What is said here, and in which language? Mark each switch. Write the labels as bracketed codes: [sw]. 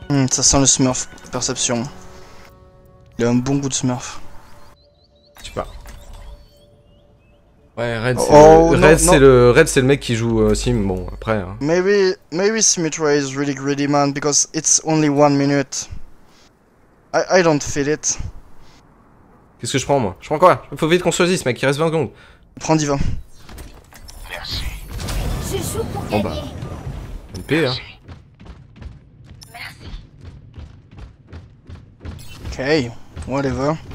[fr] Ça sent le Smurf, Perception. Il a un bon goût de Smurf. Je sais pas. Ouais, Red, c'est, oh, le... Red, non, c'est non. Le Red, c'est le mec qui joue Sim. Bon, après. Hein. [en] Maybe Symmetra is really greedy, man, because it's only 1 minute. I don't feel it. [fr] Qu'est-ce que je prends, moi? Je prends quoi? Faut vite qu'on choisisse, mec, il reste 20 secondes. Prends Divin. Merci. Je joue pour gagner. Oh bah. NP, merci. Hein. Merci. [en] Ok, whatever.